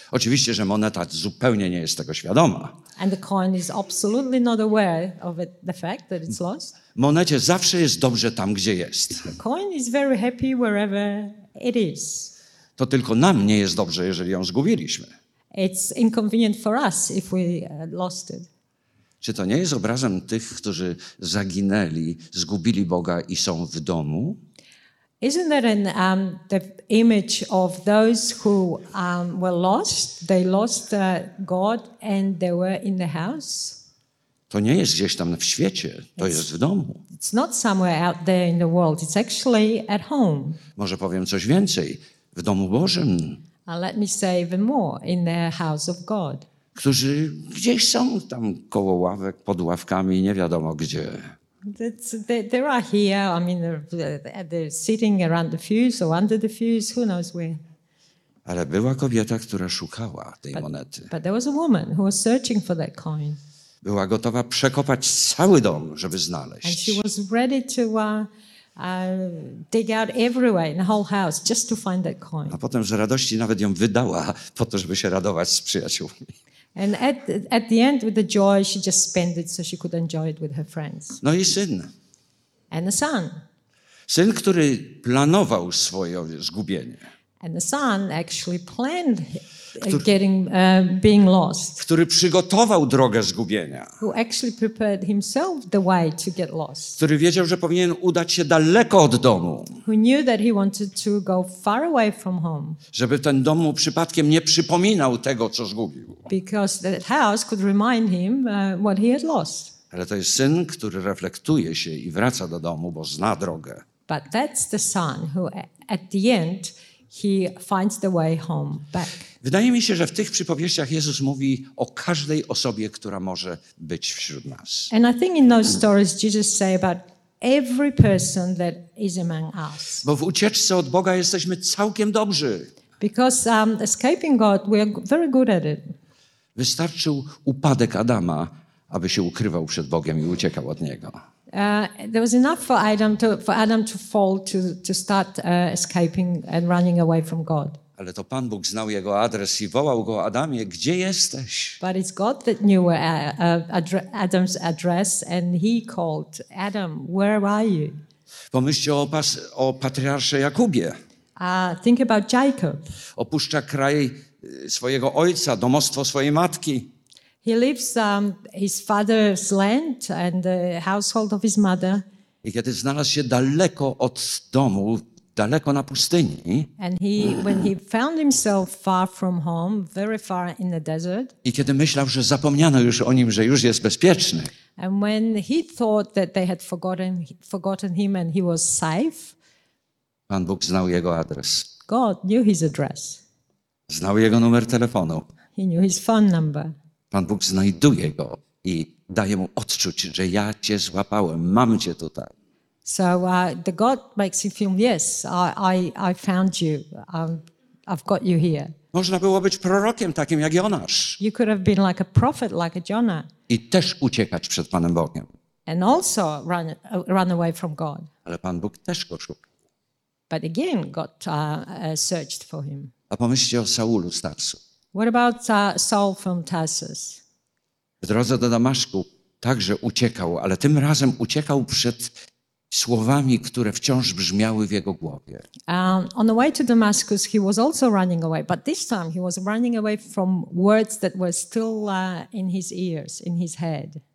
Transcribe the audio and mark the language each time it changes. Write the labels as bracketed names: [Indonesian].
[Polish] Oczywiście, że moneta zupełnie nie jest tego świadoma. [English] And the coin is absolutely not aware of it, the fact that it's lost. [Polish] Monecie zawsze jest dobrze tam, gdzie jest. [English] The coin is very happy wherever it is. [Polish] To tylko nam nie jest dobrze, jeżeli ją zgubiliśmy. [English] It's inconvenient for us if we lost it. [Polish] Czy to nie jest obrazem tych, którzy zaginęli, zgubili Boga i są w domu? [English] Isn't that an the image of those who were lost? They lost God and they were in the house. [Polish] To nie jest gdzieś tam w świecie, to it's, jest w domu. [English] It's not somewhere out there in the world. It's actually at home. [Polish] Może powiem coś więcej. W domu Bożym. [English] Let me say even more. In the house of God. [Polish] Którzy gdzieś są tam koło ławek, pod ławkami, nie wiadomo gdzie. [English] There are here. I mean, they're sitting around the fuse or under the fuse. Who knows where? [Polish] Ale była kobieta, która szukała tej monety. [English] But there was a woman who was searching for that coin. [Polish] Była gotowa przekopać cały dom, żeby znaleźć. [English] And she was ready to dig out everywhere in the whole house just to find that coin. [Polish] A potem z radości nawet ją wydała po to, żeby się radować z przyjaciółmi. [English] And at the end with the joy she just spent it so she could enjoy it with her friends. [Polish] No i syn. [English] And the son. [Polish] Syn, który planował swoje zgubienie. [English] And the son actually planned getting being lost. [Polish] Który przygotował drogę zgubienia. [English] Who actually prepared himself the way to get lost. [Polish] Który wiedział, że powinien udać się daleko od domu. [English] Who knew that he wanted to go far away from home. [Polish] Żeby ten dom przypadkiem nie przypominał tego, co zgubił. [English] Because that house could remind him what he had lost. [Polish] Ale to jest syn, który reflektuje się i wraca do domu, bo zna drogę. [English] But that's the son who at the end he finds the way home back. [Polish] Wydaje mi się, że w tych przypowieściach Jezus mówi o każdej osobie, która może być wśród nas. [English] And I think in those stories Jesus say about every person that is among us. [Polish] Bo w ucieczce od Boga jesteśmy całkiem dobrzy. [English] Because escaping God we are very good at it. [Polish] Wystarczył upadek Adama, aby się ukrywał przed Bogiem i uciekał od niego. [English] There was enough for Adam to fall to start escaping and running away from God. [Polish] Ale to Pan Bóg znał jego adres i wołał go: Adamie, gdzie jesteś? [English] But it's God that knew Adam's address and he called Adam, where are you? [Polish] Pomyślcie o patriarsze Jakubie. [English] Think about Jacob. [Polish] Opuszcza kraj swojego ojca, domostwo swojej matki. [English] He leaves his father's land and the household of his mother. [Polish] I kiedy znalazł się daleko od domu, daleko na pustyni. [English] And he, when he found himself far from home, very far in the desert. [Polish] I kiedy myślał, że zapomniano już o nim, że już jest bezpieczny. [English] And when he thought that they had forgotten him and he was safe. [Polish] Pan Bóg znał jego adres. [English] God knew his address. [Polish] Znał jego numer telefonu. [English] He knew his phone number. [Polish] Pan Bóg znajduje go i daje mu odczuć, że ja cię złapałem, mam cię tutaj. [English] So the God makes him feel, yes, I found you, I've got you here. [Polish] Można było być prorokiem takim jak Jonasz. [English] You could have been like a prophet, like a Jonah. [Polish] I też uciekać przed Panem Bogiem. [English] And also run away from God. [Polish] Ale Pan Bóg też go szukał. [English] But again, God searched for him. [Polish] A pomyślcie o Saulu z Tarsu. [English] What about Saul from Tarsus? [Polish] W drodze do Damaszku także uciekał, ale tym razem uciekał przed słowami, które wciąż brzmiały w jego głowie. [English] On the way to Damascus he was also running away, but this time he was running away from words that were still in his ears, in his head.